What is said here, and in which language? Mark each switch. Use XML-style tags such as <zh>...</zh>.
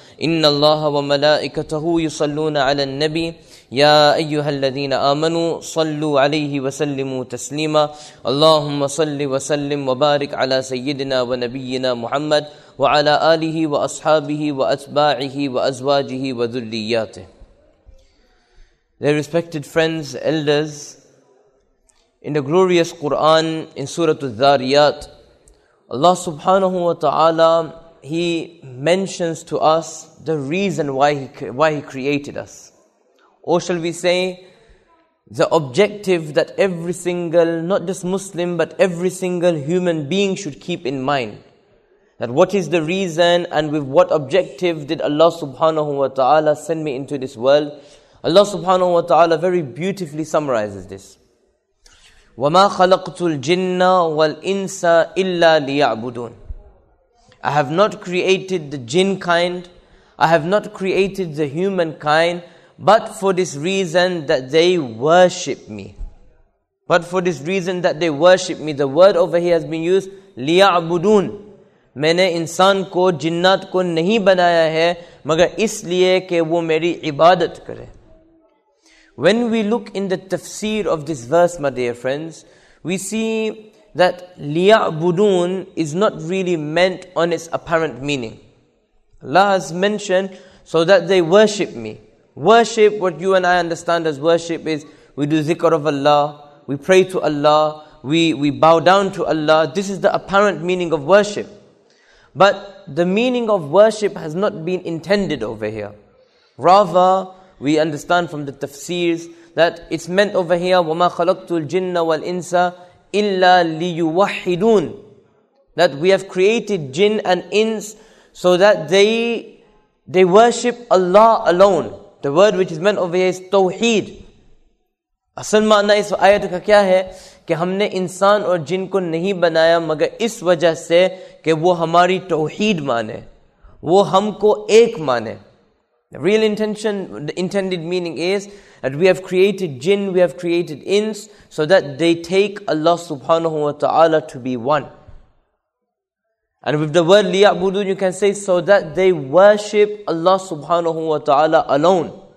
<ar>ان الله وملائكته يصلون على النبي يا ايها الذين امنوا صلوا عليه وسلموا تسليما اللهم صل وسلم وبارك على سيدنا ونبينا محمد وعلى اله واصحابه واتباعه وازواجه وذرياته.</ar> <en>Dear respected friends, elders, in the glorious Quran in Surah Al-Dhariyat, Allah Subhanahu wa Ta'ala, he mentions to us the reason why he created us. Or shall we say, the objective that every single, not just Muslim, but every single human being should keep in mind. That what is the reason and with what objective did Allah subhanahu wa ta'ala send me into this world? Allah subhanahu wa ta'ala very beautifully summarizes this.</en> <ar>وَمَا خَلَقْتُ الْجِنَّ وَالْإِنسَ إِلَّا لِيَعْبُدُونَ</ar> <en>I have not created the jinn kind, I have not created the human kind, but for this reason that they worship me. But for this reason that they worship me. The word over here has been used, liya'budun.</en> <ur>میں نے انسان کو، جنات کو نہیں بنایا ہے، مگر اس لیے کے وہ میری عبادت کرے.</ur> <en>When we look in the tafsir of this verse, my dear friends, we see that liya'budun is not really meant on its apparent meaning. Allah has mentioned, so that they worship me. Worship, what you and I understand as worship is, we do zikr of Allah, we pray to Allah, we bow down to Allah. This is the apparent meaning of worship. But the meaning of worship has not been intended over here. Rather, we understand from the tafsirs that it's meant over here,</en> <ar>وَمَا خَلَقْتُ الْجِنَّ وَالْإِنسَ إِلَّا لِيُوَحِّدُونَ</ar> <en>That we have created jinn and ins so that they worship Allah alone. The word which is meant over here is Tawheed.</en> <ur>اصل معنی اس آیت کا کیا ہے؟ کے ہم نے انسان اور جن کو نہیں بنایا مگر اس وجہ سے کے وہ ہماری توحید مانے. وہ ہم کو ایک مانے.</ur> <en>The real intention, the intended meaning is that we have created jinn, we have created ins so that they take Allah subhanahu wa ta'ala to be one. And with the word liya'budun, you can say so that they worship Allah subhanahu wa ta'ala alone.</en>